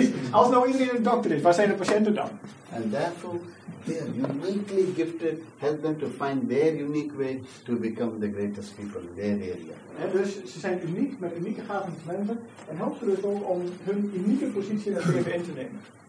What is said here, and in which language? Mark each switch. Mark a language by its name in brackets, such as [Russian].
[Dutch] Als nou iedereen een dokter is, waar zijn de patiënten dan? [English] And therefore they are uniquely gifted, help them to find their unique way to become the greatest people in their area. [Dutch] Dus ze zijn uniek met unieke gaven en talenten en help ze dus ook om hun unieke positie in het leven in te nemen.